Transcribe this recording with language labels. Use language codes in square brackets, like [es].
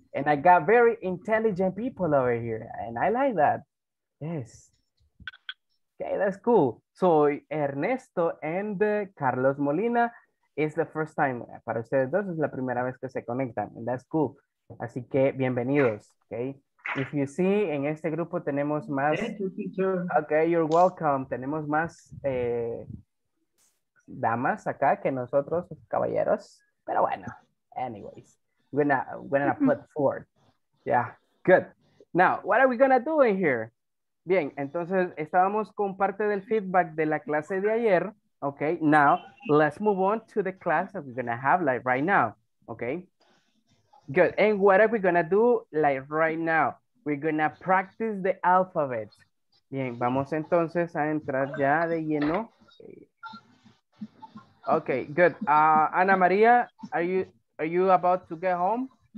[en] And I got very intelligent people over here. And I like that. Yes. Okay, that's cool. So, Ernesto and Carlos Molina is the first time. [es] Para ustedes dos es la primera vez que se conectan. [en] And that's cool. [es] Así que, bienvenidos. Okay. [en] If you see, [es] en este grupo tenemos más. [en] Thank you, teacher. Okay, you're welcome. [es] Tenemos más. Damas acá que nosotros caballeros, pero bueno, [en] anyways, we're gonna put forward. Yeah, good. Now, what are we gonna do in here? [es] Bien, entonces estábamos con parte del feedback de la clase de ayer. [en] Okay, now let's move on to the class that we're gonna have like right now. Okay, good. And what are we gonna do like right now? We're gonna practice the alphabet. [es] Bien, vamos entonces a entrar ya de lleno. [en] Okay. Okay, good. Ana Maria, are you about to get home?